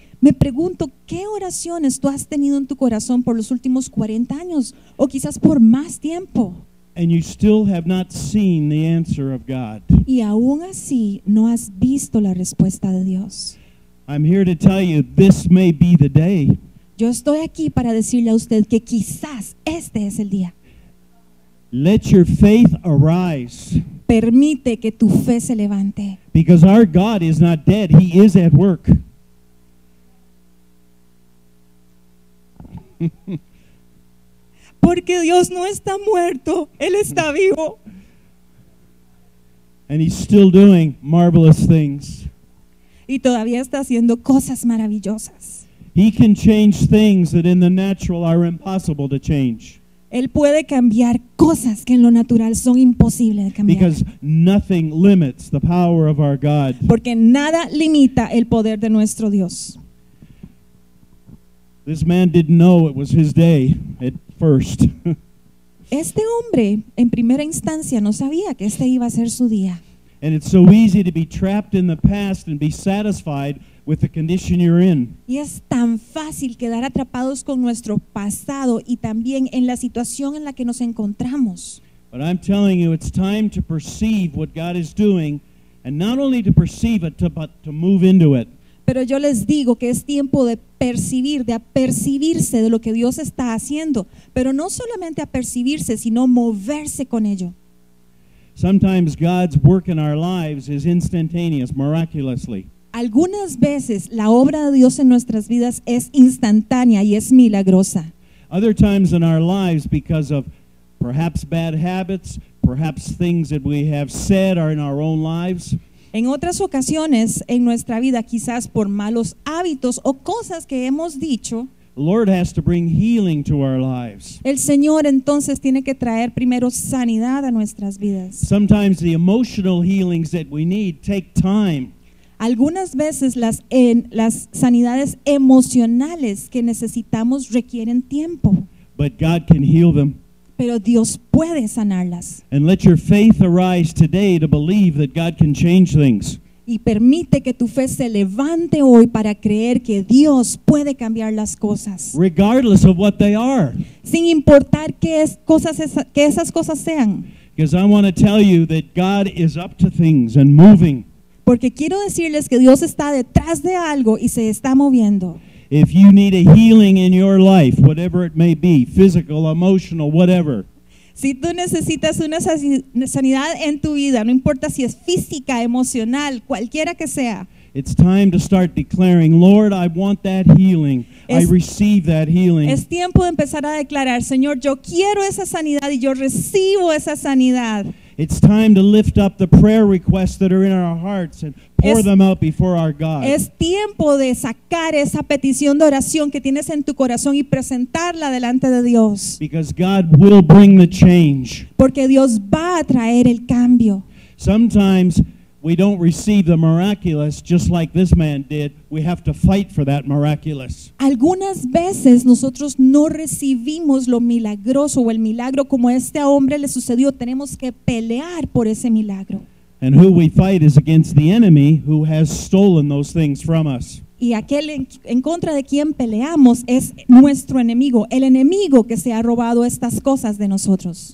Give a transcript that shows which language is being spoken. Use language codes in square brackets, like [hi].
[es] Me pregunto, ¿qué oraciones tú has tenido en tu corazón por los últimos 40 años, o quizás por más tiempo? [en] And you still have not seen the answer of God. [es] Y aún así, no has visto la respuesta de Dios. [en] I'm here to tell you, this may be the day. [es] Yo estoy aquí para decirle a usted que quizás este es el día. [en] Let your faith arise. [es] Permite que tu fe se levante. [en] Because our God is not dead, he is at work. [es] Porque Dios no está muerto, él está vivo. [en] And he's still doing marvelous things. [es] Y todavía está haciendo cosas maravillosas. [en] He can change things that in the natural are impossible to change. [es] Él puede cambiar cosas que en lo natural son imposibles de cambiar. [en] Because nothing limits the power of our God. [es] Porque nada limita el poder de nuestro Dios. [en] This man didn't know it was his day at first. [es] Este hombre en primera instancia no sabía que este iba a ser su día. [en] And it's so easy to be trapped in the past and be satisfied with the condition you're in. [es] Y es tan fácil quedar atrapados con nuestro pasado y también en la situación en la que nos encontramos. [en] But I'm telling you, it's time to perceive what God is doing, and not only to perceive it, but to move into it. [es] Pero yo les digo que es tiempo de percibir, de apercibirse de lo que Dios está haciendo, pero no solamente apercibirse, sino moverse con ello. [en] Sometimes God's work in our lives is instantaneous, miraculously. [es] Algunas veces la obra de Dios en nuestras vidas es instantánea y es milagrosa. [en] Other times in our lives, because of perhaps bad habits, perhaps things that we have said are in our own lives. [es] En otras ocasiones en nuestra vida, quizás por malos hábitos o cosas que hemos dicho, [en] Lord has to bring healing to our lives. [es] El Señor entonces tiene que traer primero sanidad a nuestras vidas. [en] Sometimes the emotional healings that we need take time. [es] Algunas veces las sanidades emocionales que necesitamos requieren tiempo. [en] But God can heal them. [es] Pero Dios puede sanarlas. [en] And let your faith arise today to believe that God can change things. [es] Y permite que tu fe se levante hoy para creer que Dios puede cambiar las cosas. [en] Regardless of what they are. [es] Sin importar que esas cosas sean. [en] Because I want to tell you that God is up to things and moving. [es] Porque quiero decirles que Dios está detrás de algo y se está moviendo. [en] If you need a healing in your life, whatever it may be, physical, emotional, whatever. [es] Si tú necesitas una sanidad en tu vida, no importa si es física, emocional, cualquiera que sea. [en] It's time to start declaring, Lord, I want that healing. I receive that healing. [es] Es tiempo de empezar a declarar, Señor, yo quiero esa sanidad y yo recibo esa sanidad. [en] It's time to lift up the prayer requests that are in our hearts and pour them out before our God. [es] Es tiempo de sacar esa petición de oración que tienes en tu corazón y presentarla delante de Dios. [en] Because God will bring the change. [es] Porque Dios va a traer el cambio. [en] Sometimes we don't receive the miraculous just like this man did. We have to fight for that miraculous. [es] Algunas veces nosotros no recibimos lo milagroso o el milagro como este hombre le sucedió. Tenemos que pelear por ese milagro. [en] And who we fight is against the enemy who has stolen those things from us. [es] Y aquel en contra de quien peleamos es nuestro enemigo, el enemigo que se ha robado estas cosas de nosotros.